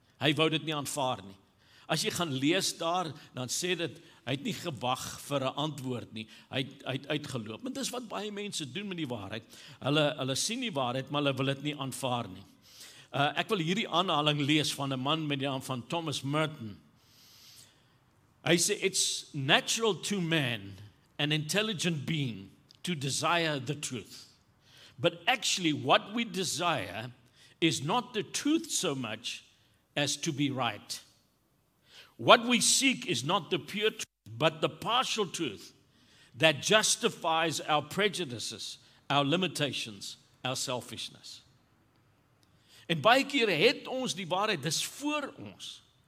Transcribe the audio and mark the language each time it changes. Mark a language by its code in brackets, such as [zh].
[af] Hy wou dit nie aanvaar nie. As jy gaan lees daar, dan sê dit, hy het nie gewag vir 'n antwoord nie. Hy het uitgeloop. Maar dis wat baie mense doen met die waarheid. Hulle sien die waarheid, maar hulle wil dit nie aanvaar nie. Ek wil hierdie aanhaling lees van 'n man met die naam van Thomas Merton. Hy sê, [en] it's natural to man, an intelligent being, to desire the truth. But actually what we desire is not the truth so much as to be right. What we seek is not the pure truth, but the partial truth that justifies our prejudices, our limitations, our selfishness. [af] En baie keer het ons die waarheid, dis voor ons.